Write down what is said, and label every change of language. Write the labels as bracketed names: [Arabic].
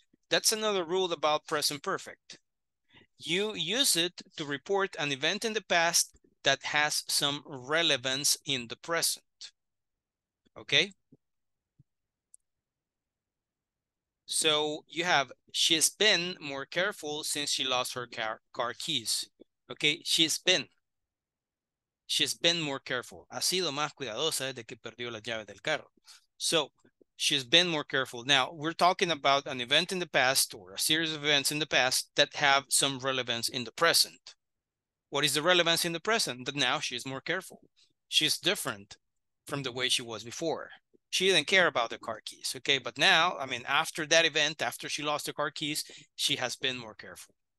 [English] That's another rule about present perfect. You use it to report an event in the past that has some relevance in the present. Okay? So you have, she's been more careful since she lost her car keys. Okay, she's been more careful. [Spanish] Ha sido más cuidadosa desde que perdió las llaves del carro. [English] So, she's been more careful. Now, we're talking about an event in the past or a series of events in the past that have some relevance in the present. What is the relevance in the present? That now she's more careful. She's different from the way she was before. She didn't care about the car keys, okay? But now, I mean, after that event, after she lost the car keys, she has been more careful.